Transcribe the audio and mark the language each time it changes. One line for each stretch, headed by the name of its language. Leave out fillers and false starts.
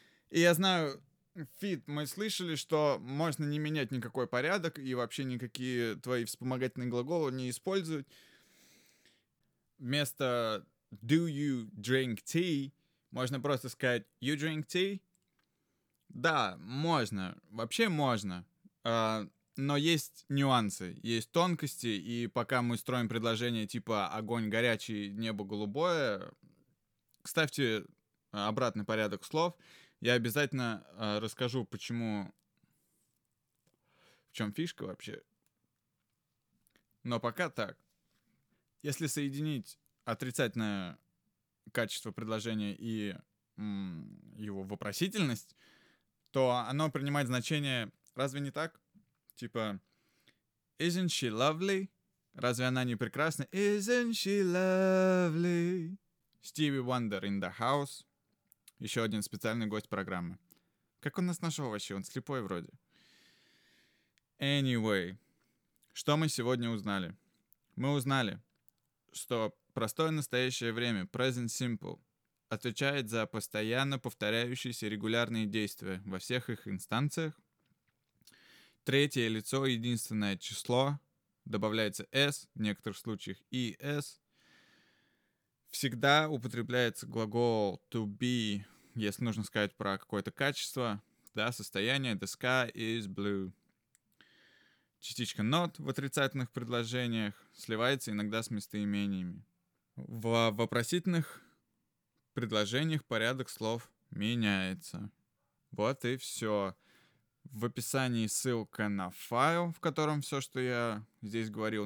Russian: И я знаю, Фит, мы слышали, что можно не менять никакой порядок и вообще никакие твои вспомогательные глаголы не использовать. Вместо
English: do you drink tea
Russian: можно просто сказать
English: you drink tea?
Russian: Да, можно. Вообще можно. Но есть нюансы, есть тонкости, и пока мы строим предложение типа «огонь горячий, небо голубое», ставьте обратный порядок слов. Я обязательно расскажу, почему, в чем фишка вообще. Но пока так. Если соединить отрицательное качество предложения и его вопросительность, то оно принимает значение «разве не так?» Типа,
English: isn't she lovely?
Russian: Разве она не прекрасна?
English: Isn't she lovely? Stevie Wonder in the house.
Russian: Еще один специальный гость программы. Как он нас нашел вообще? Он слепой вроде. Anyway, что мы сегодня узнали? Мы узнали, что простое настоящее время, present simple, отвечает за постоянно повторяющиеся регулярные действия во всех их инстанциях. Третье лицо, единственное число, добавляется s, в некоторых случаях es. Всегда употребляется глагол to be, если нужно сказать про какое-то качество. Да, состояние
English: the sky is blue.
Russian: Частичка not в отрицательных предложениях сливается иногда с местоимениями. В вопросительных предложениях порядок слов меняется. Вот и все. В описании ссылка на файл, в котором все, что я здесь говорил.